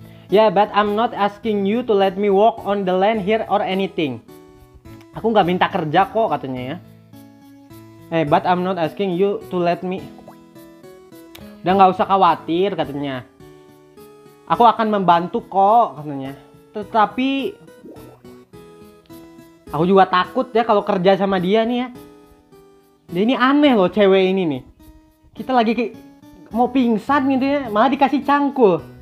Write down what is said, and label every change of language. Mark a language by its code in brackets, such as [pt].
[en] Yeah, but I'm not asking you to let me walk on the land here or anything. [id] Aku gak minta kerja kok katanya ya. [en] Hey, but I'm not asking you to let me. [id] Udah gak usah khawatir katanya. Aku akan membantu kok katanya. Tetapi aku juga takut ya kalau kerja sama dia nih ya. Dia ini aneh loh cewek ini nih. Kita lagi mau pingsan gitu ya, malah dikasih cangkul.